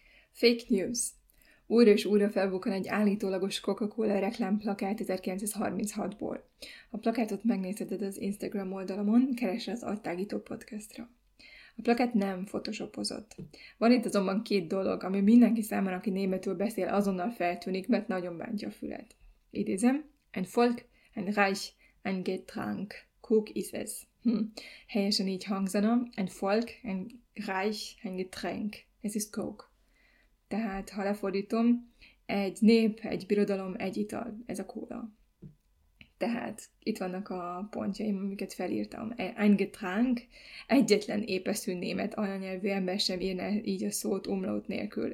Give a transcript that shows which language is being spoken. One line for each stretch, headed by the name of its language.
Hungarian: Fake news. Újra és újra felbukkan egy állítólagos Coca-Cola reklámplakát 1936-ból. A plakátot megnézheted az Instagram oldalamon, keresd az Attágító podcastra. A plakát nem photoshopozott. Van itt azonban két dolog, ami mindenki számára, aki németül beszél, azonnal feltűnik, mert nagyon bántja a fület. Idézem,
German: ein Volk, ein Reich, ein Getränk, Coke is es.
Hungarian: Helyesen így hangzana,
German: ein Volk, ein Reich, ein Getränk, es ist Coke.
Hungarian: Tehát, ha lefordítom, egy nép, egy birodalom, egy ital, ez a kóla. Tehát, itt vannak a pontjaim, amiket felírtam.
German: Ein Getränk,
Hungarian: egyetlen épeszű német anyanyelvű ember sem írne így a szót umlaut nélkül.